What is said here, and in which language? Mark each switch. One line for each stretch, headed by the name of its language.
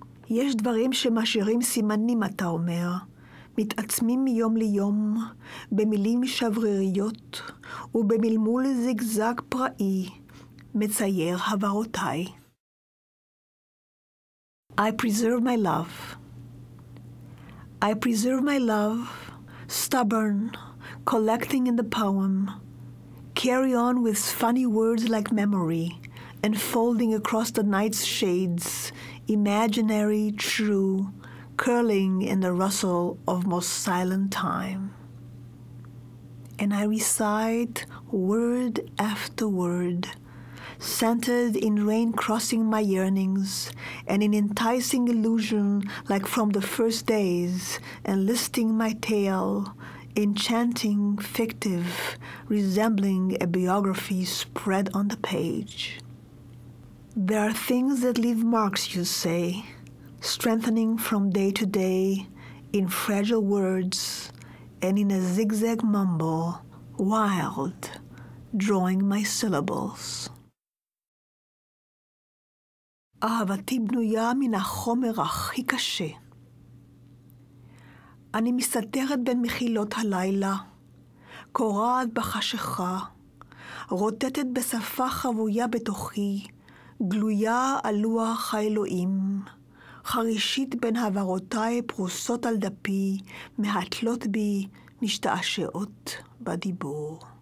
Hebrew: יש דברים שמשאירים סימנים, אתה אומר, מתעצמים מיום ליום, במילים שבריריות, ובמלמול זיגזג פראי, מצייר הברותיי.
English: I preserve my love. I preserve my love, stubborn, collecting in the poem, carry on with funny words like memory, enfolding across the night's shades, imaginary, true, curling in the rustle of most silent time. And I recite word after word, centered in rain crossing my yearnings and in enticing illusion like from the first days, enlisting my tale, enchanting, fictive, resembling a biography spread on the page. There are things that leave marks, you say, strengthening from day to day, in fragile words and in a zigzag mumble, wild, drawing my syllables.
Hebrew: אהבתי בנויה מן החומר הכי קשה. אני מסתתרת בין מחילות הלילה, קורעת בחשיכה, רוטטת בשפה חבויה בתוכי, גלויה על לוח האלוהים, חרישית בין הברותיי פרוסות על דפי, מהתלות בי, משתעשעות בדיבור.